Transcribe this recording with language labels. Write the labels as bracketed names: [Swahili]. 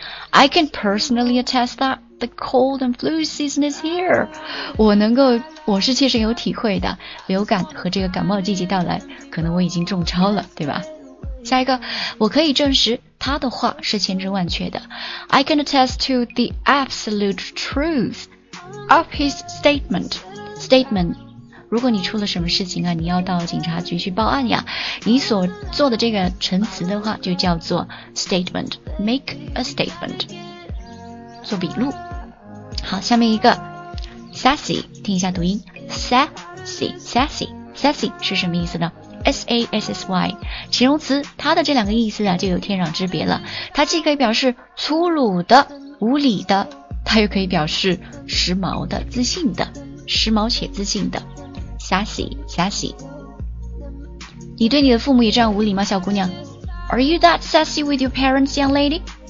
[English] I can personally attest that the cold and flu season is here. [Chinese] 我是切身有体会的，流感和这个感冒季节到来，可能我已经中招了，对吧？下一个，我可以证实他的话是千真万确的。 [English] I can attest to the absolute truth of his statement. [Chinese] Statement. 如果你出了什么事情啊，你要到警察局去报案呀，你所做的这个陈词的话就叫做 statement. [English] Make a statement. [Chinese] 做笔录。好，下面一个 sassy， 听一下读音 sassy, sassy, sassy 是什么意思呢？ S-A-S-S-Y 形容词，它的这两个意思啊就有天壤之别了。它既可以表示粗鲁的、无理的，它又可以表示时髦的、自信的，时髦且自信的 Sassy, sassy。你对你的父母也这样无理吗，小姑娘？ [English] Are you that sassy with your parents, young lady?